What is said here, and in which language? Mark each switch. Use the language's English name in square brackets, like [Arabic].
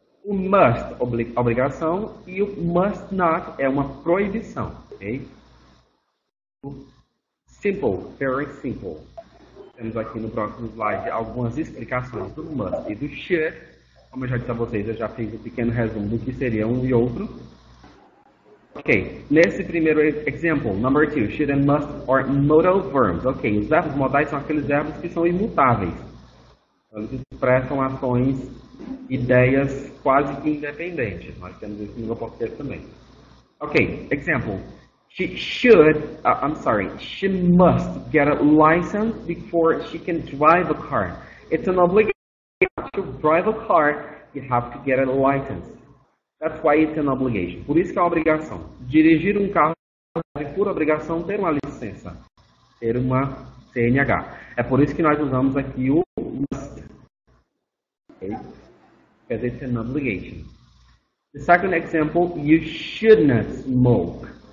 [Portuguese] O must, obrigação. E o must not é uma proibição. Okay? [English] Simple, very simple. [Portuguese] Temos aqui no próximo slide algumas explicações do must e do should. Como eu já disse a vocês, eu já fiz um pequeno resumo do que seria um e outro. [English] Okay, [Portuguese] nesse primeiro [English] example, number two, should and must are modal verbs. [Portuguese] Okay, os verbos modais são aqueles verbos que são imutáveis. Eles expressam ações, ideias quase que independentes. Nós temos isso no meu português também. Okay, example. [English] She should, I'm sorry, she must get a license before she can drive a car. It's an obligation to drive a car, you have to get a license. That's why it's an obligation. [Portuguese] Por isso que é uma obrigação. Dirigir um carro é por obrigação ter uma licença, ter uma CNH. É por isso que nós usamos aqui o must. Okay? [English] Because it's an obligation. The second example, you shouldn't smoke.